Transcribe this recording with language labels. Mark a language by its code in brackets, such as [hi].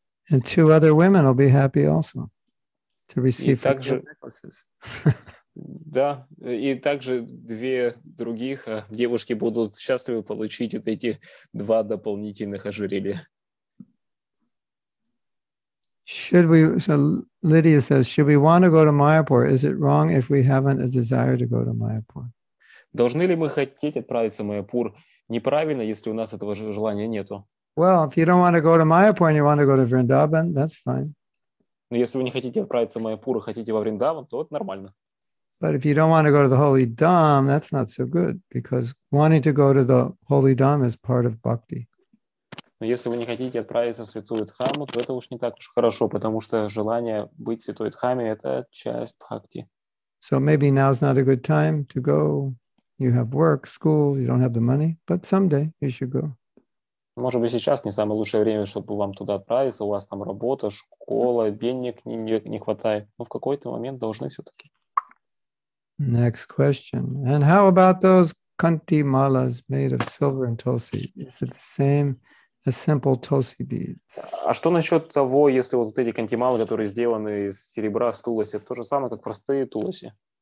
[en] And two other women will be happy also to receive from your necklaces. [ru] Да, и также две других девушки будут счастливы получить вот эти два дополнительных ожерелья. [en] Should we, so Lydia says, should we want to go to Mayapur? Is it wrong if we haven't a desire to go to Mayapur? [ru] Должны ли мы хотеть отправиться в Майяпур? Неправильно, если у нас этого желания нету. [en] Well, if you don't want to go to Mayapur and you want to go to Vrindavan, that's fine. [ru] Но если вы не хотите отправиться в Майяпур, а хотите во Вриндаван, то это нормально. [en] But if you don't want to go to the Holy Dham, that's not so good, because wanting to go to the Holy Dham is part of bhakti. [ru] Но если вы не хотите отправиться в Святую Дхаму, то это уж не так уж хорошо, потому что желание быть в Святой Дхаме – это часть бхакти. [en] So maybe now is not a good time to go. You have work, school, you don't have the money, but someday you should go. [ru] Может быть, сейчас не самое лучшее время, чтобы вам туда отправиться. У вас там работа, школа, денег не хватает. Но в какой-то момент должны все-таки. [en] Next question. And how about those kanti malas made of silver and tulsi? Is it the same as simple tulsi beads? [ru] А что насчет того, если вот эти kanti malas, которые сделаны из серебра, с туласи, то же самое, как простые туласи?